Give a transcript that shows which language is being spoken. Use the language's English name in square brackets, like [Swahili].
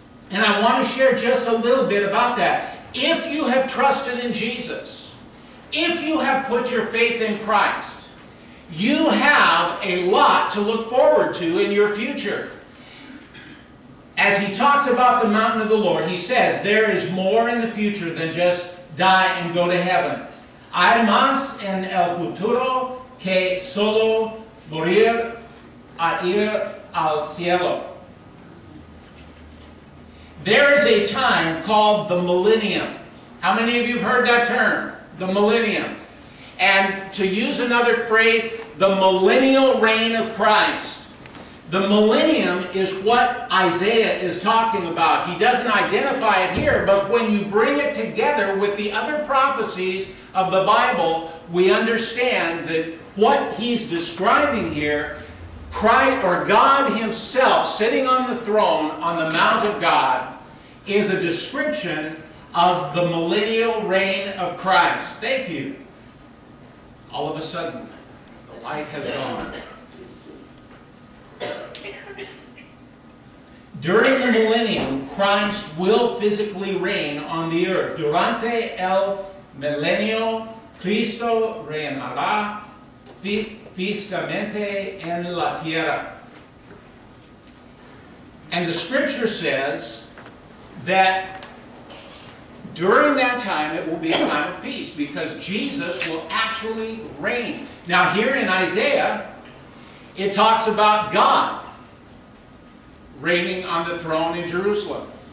[English] And I want to share just a little bit about that. If you have trusted in Jesus, if you have put your faith in Christ, you have a lot to look forward to in your future. As he talks about the mountain of the Lord, he says, there is more in the future than just die and go to heaven. [Spanish] Hay más en el futuro que solo morir a ir al cielo. [English] There is a time called the millennium. How many of you have heard that term? The millennium. And to use another phrase, the millennial reign of Christ. The millennium is what Isaiah is talking about. He doesn't identify it here, but when you bring it together with the other prophecies of the Bible, we understand that what he's describing here, Christ, or God himself sitting on the throne on the Mount of God, is a description of the millennial reign of Christ. Thank you. All of a sudden, the light has gone. During the millennium, Christ will physically reign on the earth. [Spanish] Durante el millennio, Cristo reinará físicamente en la tierra. [English] And the scripture says that during that time, it will be a time of peace because Jesus will actually reign. Now, here in Isaiah, it talks about God reigning on the throne in Jerusalem.